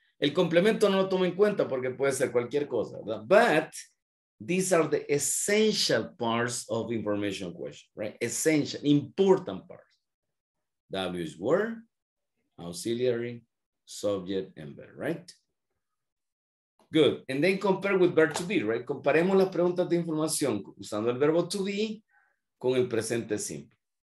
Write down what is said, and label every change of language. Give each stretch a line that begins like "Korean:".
Spanish: El complemento no lo tomo en cuenta porque puede ser cualquier cosa, ¿verdad?
English: But these are the essential parts of information question, right? Essential, important parts. W is word, auxiliary, subject, and verb, right? Good. And then compare with verb to be, right?
Spanish: Comparemos las preguntas de información usando el verbo to be con el presente simple.